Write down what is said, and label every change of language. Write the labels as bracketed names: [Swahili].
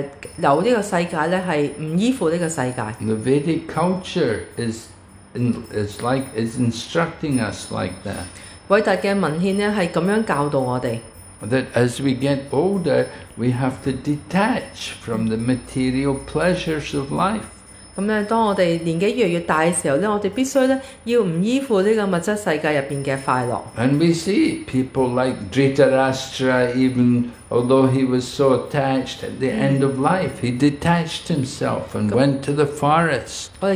[Chinese] 他会准备自己，令到自己能够由这个世界，不依附这个世界。 [English] The Vedic culture is instructing us like that. [Chinese] 偉大的文獻是這樣教導我們。 [English] That as we get older, we have to detach from the material pleasures of life. [Chinese] 當我們年紀越來越大的時候，我們必須要不依附這個物質世界裡面的快樂。 [English] And we see people like Dhritarashtra, even although he was so attached at the end of life, he detached himself and went to the forest.